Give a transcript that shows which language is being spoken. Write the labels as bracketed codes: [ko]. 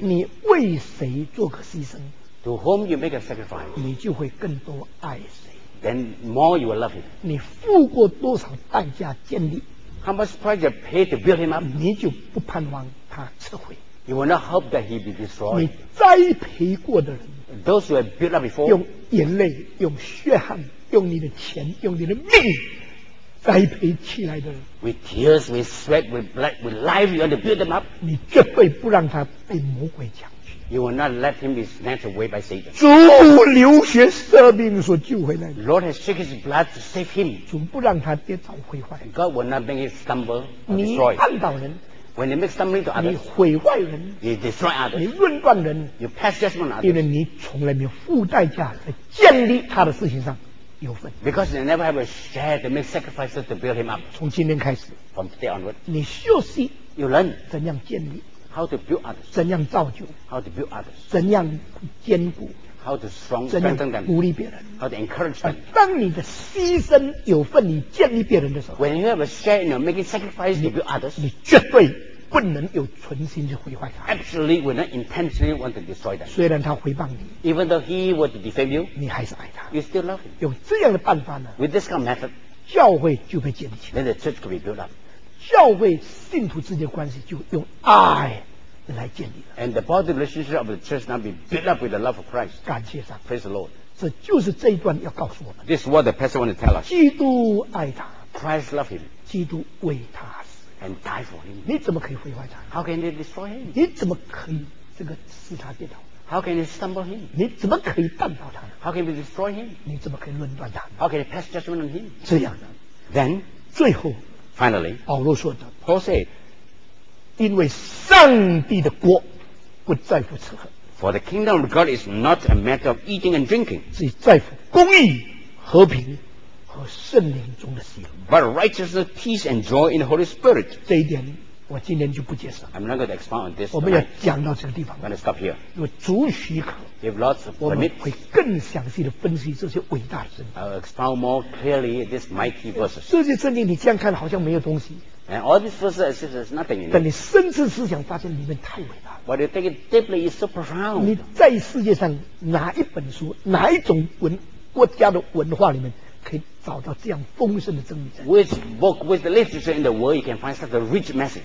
[zh] 你为谁做个牺牲 [en] ？To whom you make a sacrifice? [zh] 你就会更多爱谁。 [en] Then more you will love him. [zh] 你付过多少代价建立 [en] ？How much price you pay to build him up? [zh] 你就不盼望他撤回。 [en] You will not hope that he be destroyed. [zh] 你栽培过的人 [en] ，Those who have built up before, [zh] 用眼泪、用血汗、用你的钱、用你的命。栽培起来的人 [en] ，with tears, with sweat, with blood, with life, you want to build them up. [zh] 你绝对不让他被魔鬼抢去。 [en] You will not let him be snatched away by Satan. [zh] 主流血舍命所救回来的。 [en] Lord has shed his blood to save him. [zh] 主不让他跌倒毁坏。 [en] God will not make him stumble or destroy. [zh] 你绊倒人 [en] ，when you make stumbling to others. [zh] 你毁坏人 [en] ，you destroy others. [zh] 你论断人 [en] ，you pass judgment on others. [zh] 因为你从来没有付代价在建立他的事情上。有份 [en] Because you never have a share to make sacrifices to build him up. [zh] 从今天开始 [en] From today onward, [zh] 你学习 [en] You learn [zh] 怎样建立 [en] How to build others [zh] 怎样造就 [en] How to build others [zh] 怎样坚固 [en] How to strengthen them [zh] 鼓励别人 [en] How to encourage them [zh] 当你的牺牲有份你建立别人的时候 [en] When you have a share in making sacrifices to build others [zh] 你绝对不能有存心去毁坏他。 [en] Actually, we not intentionally want to destroy them. [zh] 虽然他回谤你 [en] ，Even though he would defame you, [zh] 你还是爱他。 [en] You still love him. [zh] 有这样的办法呢 [en] ？With this kind of method, [zh] 教会就被建立起来。 [en] Then the church can be built up. [zh] 教会信徒之间的关系就用爱来建立了。 [en] And the body relationship of the church now be built up with the love of Christ. [zh] 感谢上。 [en] Praise the Lord. [zh] 这就是这一段要告诉我们。 [en] This is what the pastor want to tell us. [zh] 基督爱他。 [en] Christ loved him. [zh] 基督为他。 [en] And die for him. [zh] 你怎么可以毁坏他？ [en] How can they destroy him? [zh] 你怎么可以这个使他跌倒？ [en] How can they stumble him? [zh] 你怎么可以绊倒他？ [en] How can they destroy him? [zh] 你怎么可以论断他？ [en] How can they pass judgment on him? [zh] 这样的。 [en] Then, [zh] 最后 [en] finally, [zh] 保罗说的。 [en] Paul said, [zh] 因为上帝的国不在乎吃喝。 [en] For the kingdom of God is not a matter of eating and drinking. [zh] 只在乎公义、和平。和圣灵中的喜乐 [en] But righteousness, peace and joy in the Holy Spirit [zh] 这一点我今天就不解释 [en] I'm not going to expound on this [zh] 我们要讲到这个地方 [en] I'm going to stop here [zh] 如果主许可 [en] If Lord's permit [zh] 我们会更详细地分析这些伟大的圣经 [en] I'll expound more clearly this mighty verses [zh] 这些圣经你这样看好像没有东西 [en] And all these verses is nothing in it [zh] 但你深思思想发现里面太伟大 [en] But you take it deeply is so profound [zh] 你在世界上哪一本书哪一种文国家的文化里面可以找到这样丰盛的真理 [en] Which book, which literature in the world you can find such a rich message?